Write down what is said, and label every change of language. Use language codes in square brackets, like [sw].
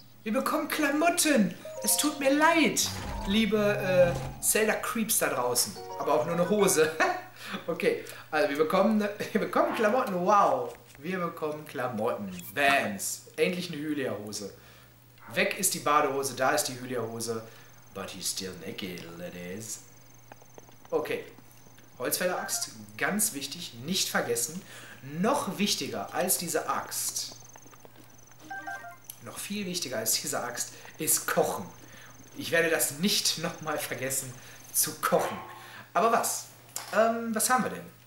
[de] Wir bekommen Klamotten! Es tut mir leid, liebe Zelda Creeps da draußen. Aber auch nur eine Hose. Okay, also wir bekommen Klamotten, wow! Wir bekommen Klamotten. Vans. Endlich eine Hylia-Hose. Weg ist die Badehose, da ist die Hylia-Hose. [en] But he's still naked, ladies. [de] Okay. Holzfäller-Axt. Ganz wichtig. Nicht vergessen. Noch wichtiger als diese Axt. Noch viel wichtiger als diese Axt ist Kochen. Ich werde das nicht nochmal vergessen zu kochen. Aber was? Was haben wir denn?